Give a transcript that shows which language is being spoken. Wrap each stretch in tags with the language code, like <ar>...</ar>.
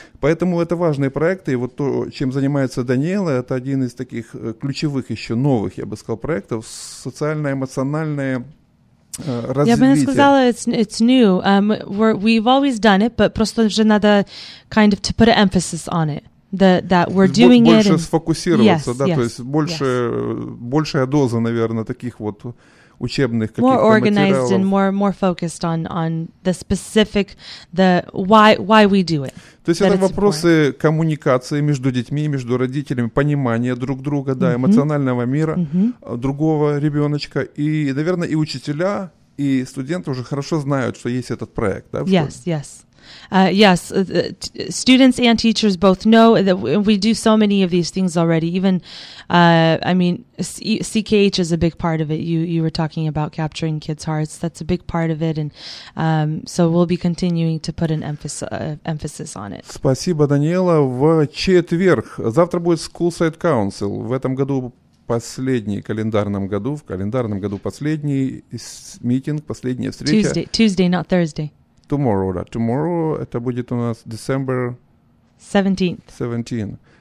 <ru>Поэтому это важные проекты, и вот то, чем занимается Даниэла, это один из таких ключевых еще новых, я бы сказал, проектов, социально-эмоциональное развитие. Я бы не сказала,</ru> <en>it's new. We've always done it, but</en> <ru>просто уже надо</ru> <en>kind of to put an emphasis on it. That we're doing</en> <ru>больше</ru> <en>it.</en> <ru>Больше сфокусироваться,</ru> <en>yes,</en> <ru>да, yes, то есть больше, yes. Большая доза, наверное, таких вот учебных каких-то материалов.</ru> <en>More organized</en> <ru>материалов.</ru> <en>And more focused on the specific, the why we do it.</en> <ru>То есть это вопросы</ru> <en>important.</en> <ru>Коммуникации между детьми, между родителями, понимания друг друга, да, mm-hmm. эмоционального мира mm-hmm. другого ребеночка. И, наверное, и учителя, и студенты уже хорошо знают, что есть этот проект, да, в</ru> <en>yes,</en> <ru>школе.</ru> <en>Yes, yes. Yes, students and teachers both know that we do so many of these things already. Even, I mean, CKH is a big part of it. You were talking about capturing kids' hearts. That's a big part of it, and so we'll be continuing to put an emphasis on it.</en> <ru>Спасибо, Даниэла. В четверг. Завтра будет School Site Council. В этом году последний календарном году. В календарном году последний митинг, последняя встреча.</ru> <en>Tuesday, not Thursday. Tomorrow,</en> <ru>да. Tomorrow это будет у нас</ru> <en>December 17.</en>